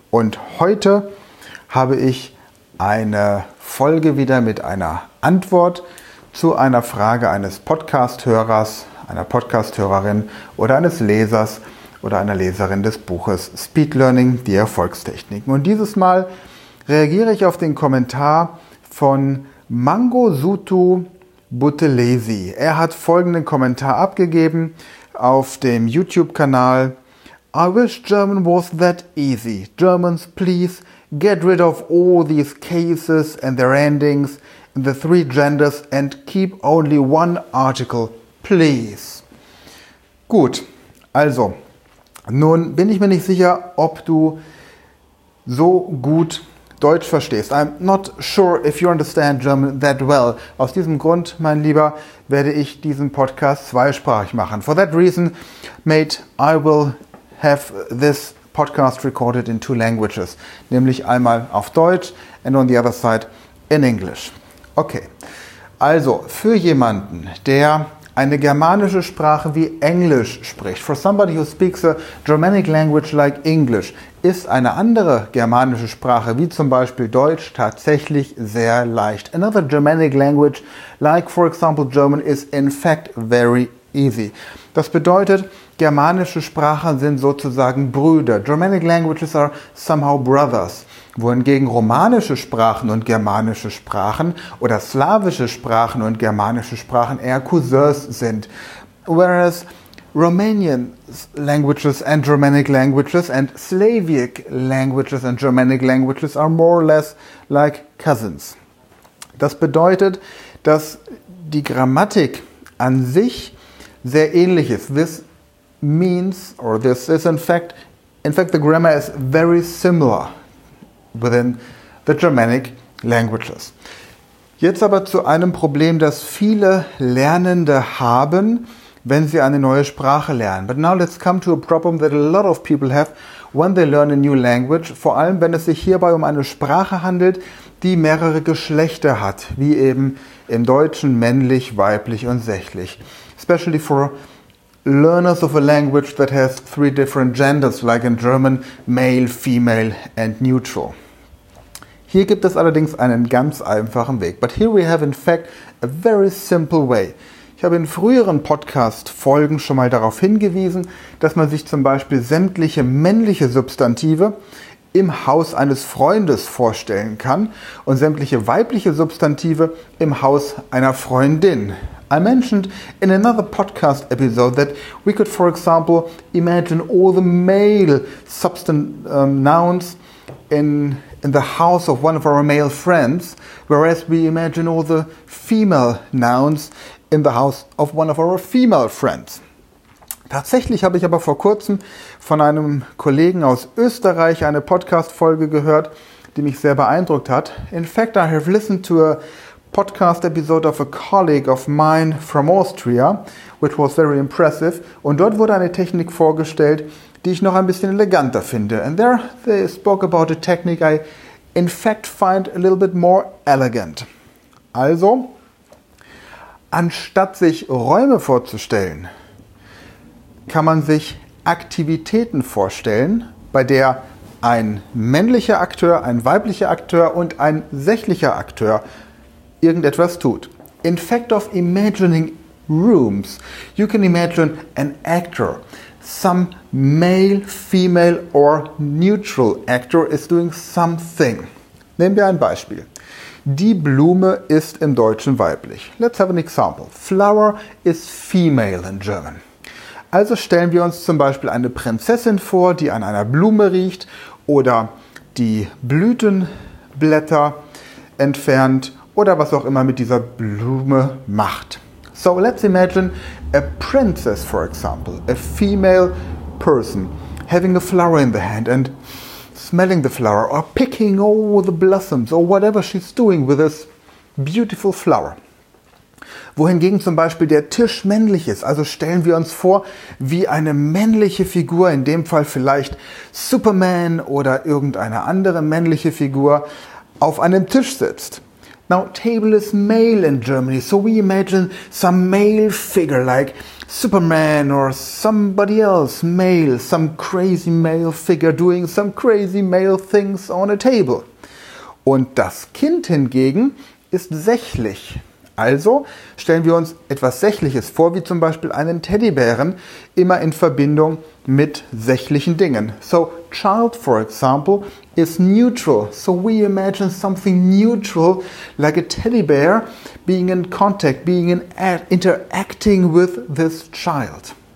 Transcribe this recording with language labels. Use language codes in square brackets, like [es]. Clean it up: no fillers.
[de] Und heute habe ich eine Folge wieder mit einer Antwort zu einer Frage eines Podcast-Hörers, einer Podcast-Hörerin oder eines Lesers oder einer Leserin des Buches Speed Learning, die Erfolgstechniken. Und dieses Mal reagiere ich auf den Kommentar von Mangosuthu Buthelezi. Er hat folgenden Kommentar abgegeben auf dem YouTube-Kanal. [en] I wish German was that easy. Germans, please get rid of all these cases and their endings in the three genders and keep only one article, please. [de] Gut, also, nun bin ich mir nicht sicher, ob du so gut Deutsch verstehst. [en] I'm not sure if you understand German that well. [de] Aus diesem Grund, mein Lieber, werde ich diesen Podcast zweisprachig machen. [en] For that reason, mate, I will have this podcast recorded in two languages. [de] Nämlich einmal auf Deutsch [en] and on the other side in English. [de] Okay, also für jemanden, der eine germanische Sprache wie Englisch spricht. [en] For somebody who speaks a Germanic language like English, [de] ist eine andere germanische Sprache, wie zum Beispiel Deutsch, tatsächlich sehr leicht. [en] Another Germanic language, like for example German, is in fact very easy. [de] Das bedeutet, germanische Sprachen sind sozusagen Brüder. [en] Germanic languages are somehow brothers. [de] Wohingegen romanische Sprachen und germanische Sprachen oder slawische Sprachen und germanische Sprachen eher Cousins sind. [en] Whereas Romanian languages and Germanic languages and Slavic languages and Germanic languages are more or less like cousins. [de] Das bedeutet, dass die Grammatik an sich sehr ähnlich ist. [en] This means, or this is in fact the grammar is very similar within the Germanic languages. [de] Jetzt aber zu einem Problem, das viele Lernende haben, wenn sie eine neue Sprache lernen. [en] But now let's come to a problem that a lot of people have when they learn a new language, [de] vor allem wenn es sich hierbei um eine Sprache handelt, die mehrere Geschlechter hat, wie eben im Deutschen männlich, weiblich und sächlich. [en] Especially for learners of a language that has three different genders, like in German, male, female and neutral. [de] Hier gibt es allerdings einen ganz einfachen Weg. [en] But here we have in fact a very simple way. [de] Ich habe in früheren Podcast-Folgen schon mal darauf hingewiesen, dass man sich zum Beispiel sämtliche männliche Substantive im Haus eines Freundes vorstellen kann und sämtliche weibliche Substantive im Haus einer Freundin. [en] I mentioned in another podcast episode that we could, for example, imagine all the male nouns in the house of one of our male friends, whereas we imagine all the female nouns in the house of one of our female friends. [de] Tatsächlich habe ich aber vor kurzem von einem Kollegen aus Österreich eine Podcast-Folge gehört, die mich sehr beeindruckt hat. [en] In fact, I have listened to a podcast episode of a colleague of mine from Austria, which was very impressive. [de] Und dort wurde eine Technik vorgestellt, die ich noch ein bisschen eleganter finde. [en] And there they spoke about a technique I in fact find a little bit more elegant. [de] Also, anstatt sich Räume vorzustellen, kann man sich Aktivitäten vorstellen, bei der ein männlicher Akteur, ein weiblicher Akteur und ein sächlicher Akteur irgendetwas tut. [en] In fact of imagining rooms, you can imagine an actor. Some male, female or neutral actor is doing something. [de] Nehmen wir ein Beispiel. Die Blume ist im Deutschen weiblich. [en] Let's have an example. Flower is female in German. [de] Also stellen wir uns zum Beispiel eine Prinzessin vor, die an einer Blume riecht oder die Blütenblätter entfernt oder was auch immer mit dieser Blume macht. [en] So let's imagine a princess, for example, a female person having a flower in the hand and smelling the flower or picking all the blossoms or whatever she's doing with this beautiful flower. [de] Wohingegen zum Beispiel der Tisch männlich ist. Also stellen wir uns vor, wie eine männliche Figur, in dem Fall vielleicht Superman oder irgendeine andere männliche Figur, auf einem Tisch sitzt. [en] Now, table is male in Germany, so we imagine some male figure like Superman or somebody else male, some crazy male figure doing some crazy male things on a table. [de] Und das Kind hingegen ist sächlich. Also stellen wir uns etwas Sächliches vor, wie zum Beispiel einen Teddybären, immer in Verbindung mit sächlichen Dingen. [en] So, child, for example, is neutral. So we imagine something neutral, like a teddy bear, being in contact, being in interacting with this child.